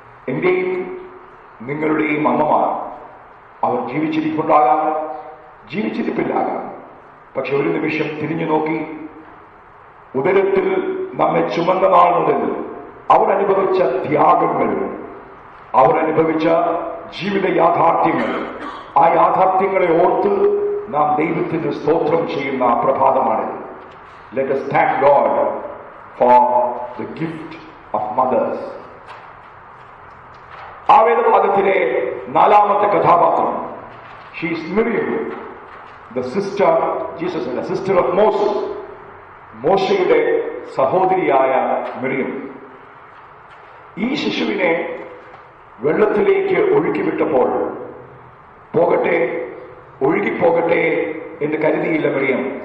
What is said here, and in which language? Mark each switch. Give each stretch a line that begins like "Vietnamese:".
Malayalam: എന്റെയും നിങ്ങളുടെയും അമ്മമാർ അവർ ജീവിച്ചിരിപ്പുണ്ടാകാം, ജീവിച്ചിരിപ്പില്ലാകാം, പക്ഷെ ഒരു നിമിഷം തിരിഞ്ഞു നോക്കി ഉദരത്തിൽ നമ്മെ ചുമന്ന നാളുകളിൽ അവരനുഭവിച്ച ത്യാഗങ്ങൾ, അവരനുഭവിച്ച ജീവിത യാഥാർത്ഥ്യങ്ങൾ, ആ യാഥാർത്ഥ്യങ്ങളെ ഓർത്ത് നാം ദൈവത്തിന് സ്തോത്രം ചെയ്യുന്ന പ്രഭാതമാണ്.
English: Let us thank God for the gift of mothers.
Malayalam: ആ വേദഭാഗത്തിലെ 4-ാമത്തെ കഥാപാത്രം,
English: she is Miriam, the sister Jesus, the sister of Moses,
Malayalam: മോശയുടെ സഹോദരിയായ മിറിയം. ഈ ശിശുവിനെ വെള്ളത്തിലേക്ക് ഒഴുക്കിവിട്ടപ്പോൾ പോകട്ടെ, ഒഴുകിപ്പോകട്ടെ എന്ന് കരുതിയില്ല മിറിയം.